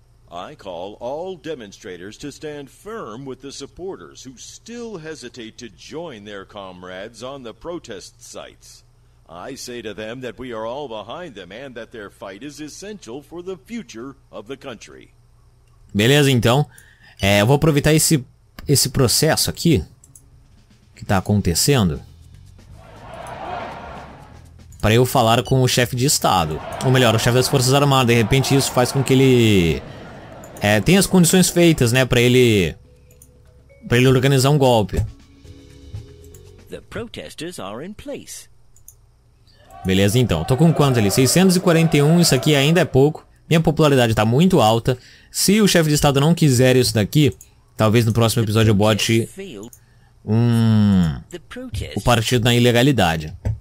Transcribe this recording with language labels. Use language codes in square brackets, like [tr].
[en] I call all demonstrators to stand firm with the supporters who still hesitate to join their comrades on the protest sites. I say to them that we are all behind them and that their fight is essential for the future of the country. [pt] Beleza, então. É, eu vou aproveitar esse processo aqui. Que tá acontecendo pra eu falar com o chefe de estado, ou melhor, o chefe das forças armadas. De repente isso faz com que ele tenha as condições feitas, né, pra ele organizar um golpe. [en] The protesters are in place. [pt] Beleza, então. Tô com quanto ali? 641. Isso aqui ainda é pouco. Minha popularidade tá muito alta. Se o chefe de estado não quiser isso daqui, talvez no próximo episódio eu bote o partido na ilegalidade.